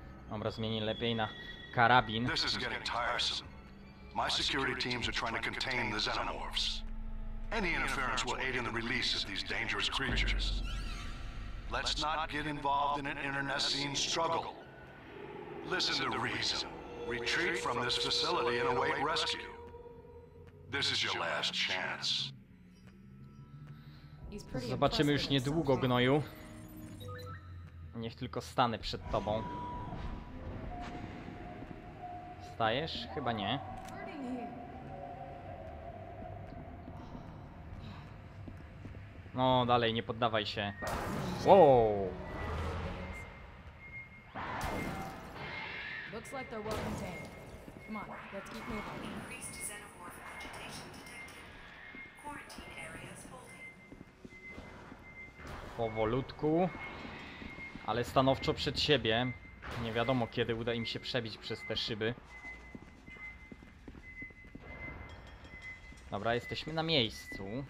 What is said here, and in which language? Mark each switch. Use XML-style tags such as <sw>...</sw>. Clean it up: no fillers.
<pl>Dobra, zmieni lepiej na karabin.</pl> <en>This is getting tiresome. My security teams are trying to contain the xenomorphs. Any interference will aid in the release of these dangerous creatures. Let's not get involved in an internecine struggle. Listen to reason. Retreat from this facility and await rescue. This is your last chance.</en> <pl>Zobaczymy już niedługo, gnoju. Niech tylko stanę przed tobą. Stajesz? Chyba nie. No, dalej, nie poddawaj się.</pl> <en>Wow! Looks like they're well contained. Come on, let's keep moving. Increased xenomorph agitation detected. Quarantine areas holding.</en> <pl>Powolutku, ale stanowczo przed siebie. Nie wiadomo, kiedy uda im się przebić przez te szyby. Dobra, jesteśmy na miejscu.</pl>